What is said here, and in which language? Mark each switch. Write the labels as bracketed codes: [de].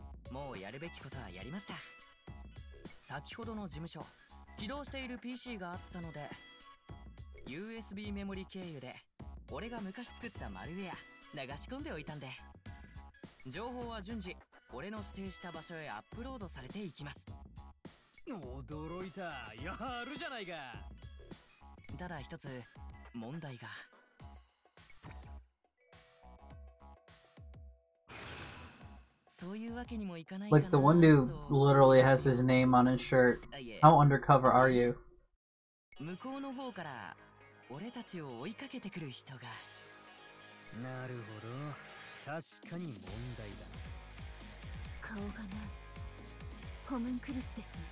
[ja] もうやるべきことはやりました。先ほどの事務所、起動している PC があったので、 USB メモリ経由で俺が昔作ったマルウェア流し込んでおいたんで、情報は順次俺の指定した場所へアップロードされていきます。驚いた。やるじゃないか。ただ一つ問題が。そういうわけにもいかないかな。 [en] Like the one who literally has his name on his shirt. How undercover are you? [ja] 向こうの方から俺たちを追いかけてくる人が。なるほど、確かに問題だ。顔がない。ホムンクルスですね。